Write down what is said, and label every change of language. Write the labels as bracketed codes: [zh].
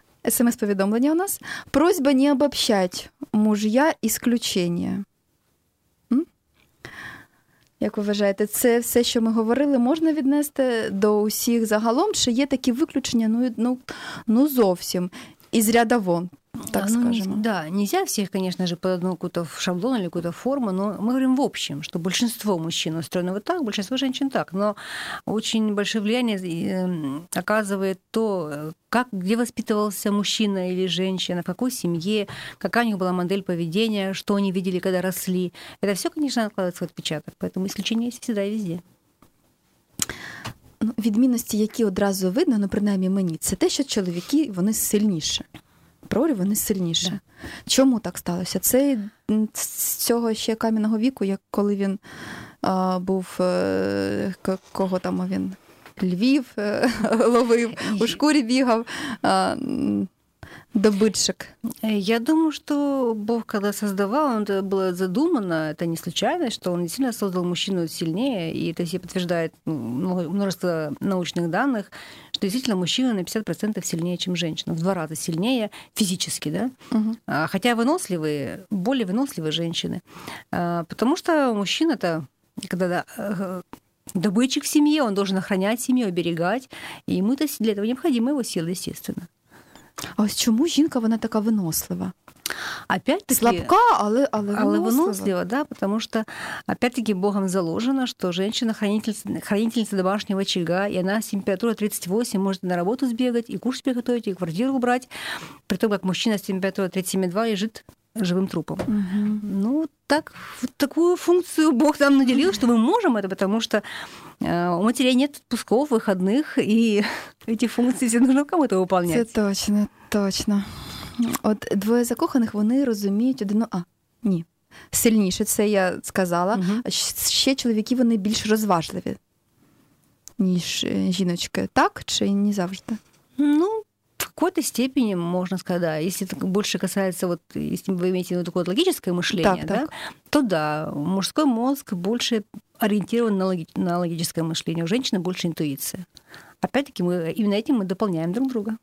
[uk] СМС-повідомлення у нас. [ru] Просьба не обобщать. Мужья исключение. [uk] Як ви вважаєте, це все, що ми говорили, можна віднести до усіх загалом? Чи є такі виключення, ну зовсім, із ряда вон, так скажемо? [ru] Ну, да, нельзя [uk] всіх, звісно, під одну [ru] какую-то шаблон или какую-то форму, но мы говорим в общем, что большинство мужчин устроено вот так, большинство женщин так. Но очень большое влияние оказывает то, как, где воспитывался мужчина или женщина, в какой семье, какая у них была модель поведения, что они видели, когда росли. Это все, конечно, откладывает свой отпечаток. Поэтому исключения есть всегда и везде. [uk] Ну, відмінності, які одразу видно, ну, принаймні мені, це те, що чоловіки, вони сильніші. Прорив, вони сильніші. Да. Чому так сталося? Це з цього ще кам'яного віку, як коли він був, кого там він... Львів ловив, у шкурі бігав, добытчик. [ru] Я думаю, что Бог, когда создавал, он это было задумано, это не случайность, что он действительно создал мужчину сильнее, и это все подтверждает множество научных данных, что действительно мужчина на 50% сильнее, чем женщина, в два раза сильнее физически, да? Хотя выносливые, более выносливые женщины. Потому что мужчина это когда... Добытчик в семье, он должен охранять семью, оберегать. И мы-то для этого необходимы его силы, естественно. [uk] А ось чому жінка, вона така винослива? [ru] Опять-таки, [uk] слабка, але [ru] вынослива, да, потому что, опять-таки, Богом заложено, что женщина хранительница домашнего очага, и она с температурой 38 может на работу сбегать, и кушать приготовить, и квартиру убрать, при том, как мужчина с температурой 37,2 лежит живым трупом. Угу. Ну, так, вот такую функцию Бог нам наделил, что мы можем это, потому что у матери нет отпусков, выходных, и эти функции все нужно кому-то выполнять. Это точно, точно. [uk] От двоє закоханих, вони розуміють один, а, ні, сильніше, це я сказала, угу. Ще чоловіки, вони більш розважливі, ніж жіночки, так чи не завжди? Ну, в якійсь степені можна сказати, якщо так більше касається, от, якщо ви маєте, ну, таке логічне мислення, так, да, так, то да, мужський мозок більше орієнтований на логічне мислення, у жінки більше інтуїція. [ru] Опять-таки, мы именно этим мы дополняем друг друга.